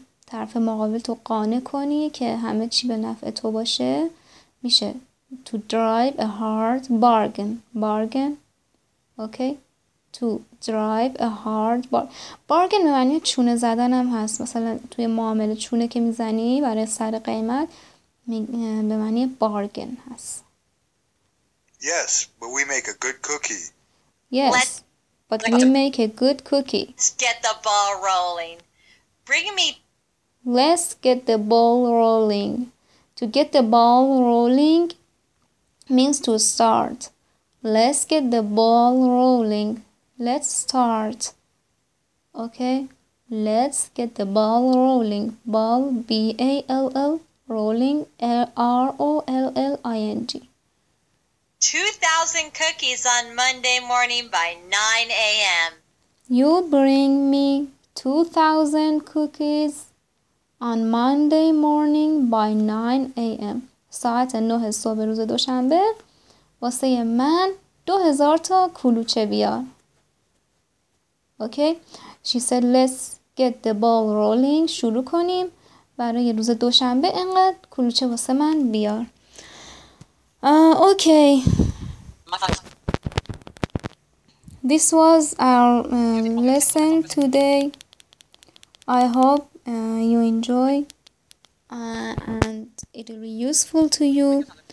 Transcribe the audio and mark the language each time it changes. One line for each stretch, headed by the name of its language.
Persian: طرف مقابل تو قانع کنی که همه چی به نفع تو باشه، میشه
English: to drive a hard bargain. Bargain. Okay. To drive a hard bargain
Persian: به معنی چونه زدن هم هست. مثلا توی معامله چونه که میزنی برای سر قیمت به معنی bargain هست.
English: Yes, but we make a good cookie. Yes, but we make a good cookie. Let's get the ball rolling. Let's get the ball rolling. To get the ball rolling means to start. Let's get the ball rolling. Let's start. Okay? Let's get the ball rolling. Ball, B-A-L-L, rolling, R-O-L-L-I-N-G. 2,000 cookies on Monday morning by 9 a.m. You bring me 2,000 cookies on Monday morning by 9 a.m.
Persian: ساعت 9 صبح روز دوشنبه واسه من 2,000 تا کلوچه بیار.
English: Okay? She said, let's get the ball rolling.
Persian: شروع کنیم. برای روز دوشنبه اینقدر کلوچه واسه من بیار.
English: Okay. This was our lesson today. I hope you enjoy and it will be useful to you.